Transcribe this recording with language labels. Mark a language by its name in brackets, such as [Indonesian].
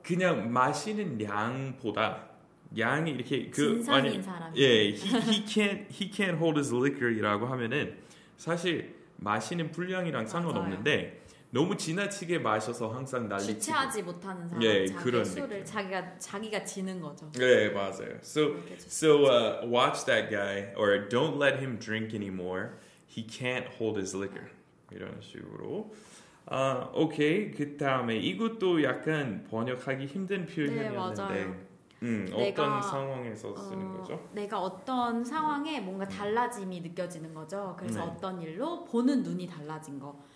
[Korean] 그냥 마시는 양보다 양이 이렇게 그 진상인 사람. 예. [English] He can't hold his liquor [Korean] 이라고 하면은 사실 마시는 분량이랑 맞아요. 상관없는데 너무 지나치게 마셔서 항상 난리치고 주체하지 못하는 사람 예, 그런 술을 느낌. 자기가 지는 거죠. 네, 예, 맞아요. [English] So watch that guy or don't let him drink anymore. He can't hold his liquor. [Korean] 이런 식으로. 오케이. 그다음에 이것도 약간 번역하기 힘든 표현이었는데. 네, 맞아요. 어떤 내가, 상황에서 쓰는 거죠? 내가 어떤 상황에 뭔가 달라짐이 느껴지는 거죠. 그래서 어떤 일로 보는 눈이 달라진 거.